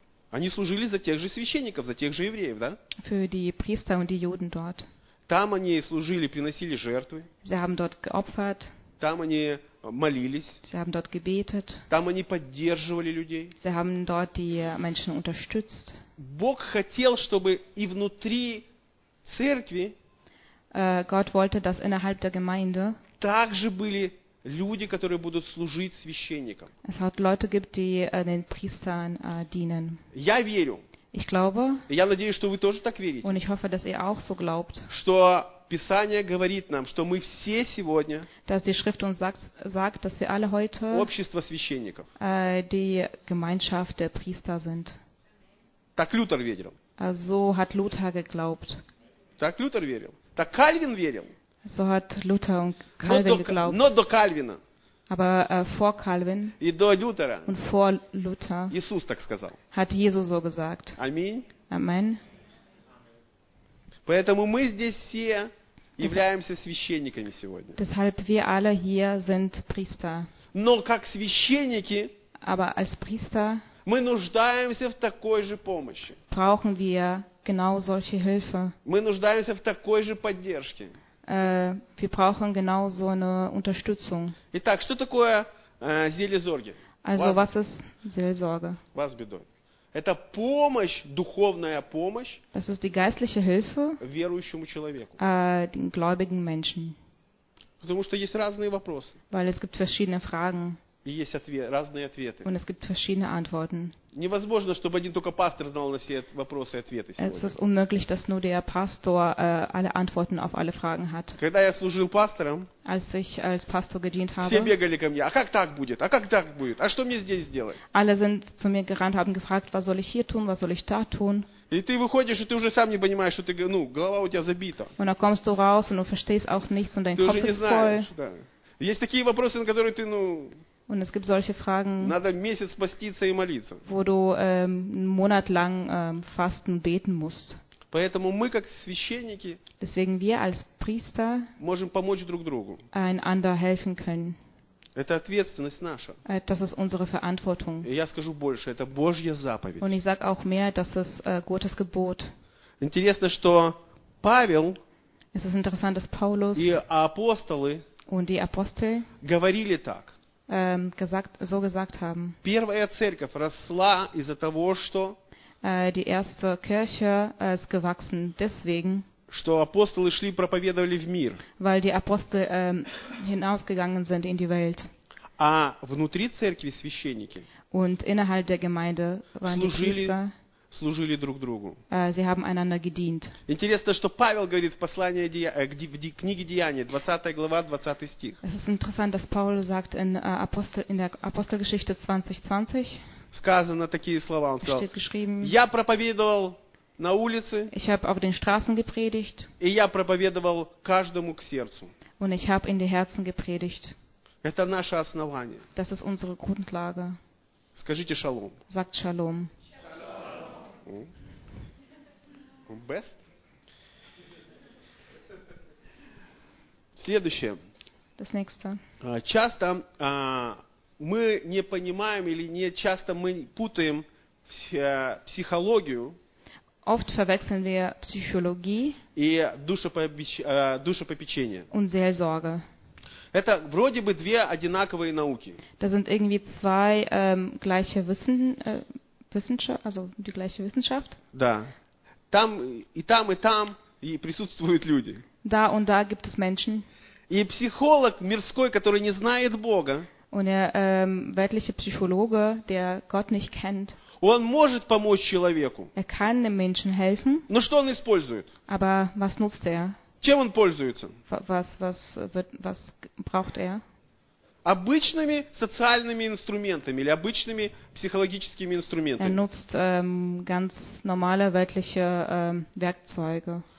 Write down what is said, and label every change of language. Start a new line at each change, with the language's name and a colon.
Russian: Они служили за тех же священников, за тех же евреев, да?
German: Für die Priester und die Juden dort.
Russian: Там они служили, приносили жертвы.
German: Sie haben dort geopfert.
Russian: Там они молились.
German: Sie haben dort gebetet.
Russian: Там они поддерживали людей.
German: Sie haben dort die Menschen unterstützt.
Russian: Бог хотел, чтобы и внутри церкви
German: Gott wollte, dass innerhalb der Gemeinde
Russian: также были люди, которые будут служить священникам.
German: Es hat Leute gibt, die den Priestern dienen.
Russian: Я верю.
German: Ich glaube,
Russian: я надеюсь, что вы тоже так верите.
German: Und ich hoffe, dass ihr auch so glaubt,
Russian: что Писание говорит нам, что мы все сегодня
German: dass die Schrift uns sagt, dass wir alle heute
Russian: общество священников
German: die Gemeinschaft der Priester sind.
Russian: Так Лютер верил.
German: So hat Luther geglaubt.
Russian: Так Лютер верил. Так Кальвин верил.
German: So hat Luther und Calvin geglaubt.
Russian: Но до Кальвина.
German: Aber vor Calvin
Russian: и до Лютера
German: und vor Luther
Russian: Иисус так сказал.
German: Hat Jesus so gesagt.
Russian: Аминь.
German: Amen.
Russian: Поэтому мы здесь все являемся священниками сегодня.
German: Deshalb wir alle hier sind Priester.
Russian: Но как священники
German: aber als Priester
Russian: мы нуждаемся в такой же помощи.
German: Brauchen wir genau solche Hilfe.
Russian: Мы нуждаемся в такой же поддержке.
German: Wir brauchen genau so eine Unterstützung.
Russian: Итак, что такое Seelsorge?
German: Also, was ist Seelsorge? Was bedeutet?
Russian: Это помощь, духовная помощь.
German: Das ist die geistliche Hilfe.
Russian: Верующему человеку.
German: Den gläubigen Menschen.
Russian: Потому что есть разные вопросы.
German: Weil es gibt verschiedene Fragen.
Russian: И есть разные ответы.
German: Und es gibt verschiedene Antworten.
Russian: Невозможно, чтобы один только пастор знал на все вопросы и ответы сегодня.
German: Es ist unmöglich, dass nur der Pastor alle Antworten auf alle Fragen hat.
Russian: Когда я служил пастором,
German: als ich als Pastor gedient habe,
Russian: все бегали ко мне, а как так будет, а как так будет, а что мне здесь сделать?
German: Alle sind zu mir gerannt, haben gefragt, was soll ich hier tun, was soll ich da tun?
Russian: И ты выходишь, и ты уже сам не понимаешь, что ты, ну, голова у тебя забита.
German: Und dann kommst du raus und du verstehst auch nichts und dein Kopf ist
Russian: знаешь,
German: voll.
Russian: Да. Есть такие вопросы, на которые ты, ну,
German: und es gibt solche Fragen,
Russian: надо месяц поститься и молиться.
German: Wo du monatelang fasten, beten musst.
Russian: Поэтому мы как священники
German: deswegen wir als Priester
Russian: можем помочь друг другу.
German: Einander helfen können.
Russian: Это ответственность наша.
German: Das ist unsere Verantwortung.
Russian: И я скажу больше, это Божья заповедь.
German: Und ich sag auch mehr, das ist Gottes Gebot.
Russian: Интересно, что Павел
German: es ist interessant, dass Paulus
Russian: и апостолы
German: und die Apostel
Russian: говорили так.
German: Gesagt, so gesagt haben.
Russian: Первая церковь росла из-за того, что
German: die erste Kirche ist gewachsen deswegen,
Russian: что апостолы шли проповедовали в мир,
German: weil die Apostel hinausgegangen sind in die Welt.
Russian: А внутри церкви священники
German: und innerhalb der Gemeinde waren
Russian: служили,
German: die Priester,
Russian: служили друг другу.
German: Sie haben einander gedient.
Russian: Интересно, что Павел говорит в послании в книге Деяний, 20 глава, 20 стих.
German: Es ist interessant, dass Paul sagt in der Apostelgeschichte 20:20.
Russian: Сказано такие слова, он сказал.
German: Steht geschrieben,
Russian: я проповедовал на улице.
German: Ich habe auf den Straßen gepredigt.
Russian: И я проповедовал каждому к сердцу.
German: Und ich habe in die Herzen gepredigt.
Russian: Это наше основание.
German: Das ist unsere Grundlage.
Russian: Скажите шалом.
German: Sagt Shalom. Best.
Russian: Следующее.
German: Das nächste.
Russian: Часто мы не понимаем или не часто мы путаем психологию.
German: Oft verwechseln wir Psychologie
Russian: и душепопечение.
German: Und Seelsorge.
Russian: Это вроде бы две одинаковые науки.
German: Das sind irgendwie zwei gleiche Wissen. Wissenschaft, also die gleiche Wissenschaft.
Russian: Да. Там и там и там и присутствуют люди.
German: Da und da gibt es Menschen.
Russian: И психолог мирской, который не знает Бога.
German: Und der weltliche Psychologe, der Gott nicht kennt.
Russian: Он может помочь человеку.
German: Er kann dem Menschen helfen.
Russian: Но что он использует?
German: Aber was nutzt er?
Russian: Чем он пользуется?
German: Was braucht er?
Russian: Обычными социальными инструментами или обычными психологическими инструментами.
German: Er nutzt ganz normale weltliche Werkzeuge.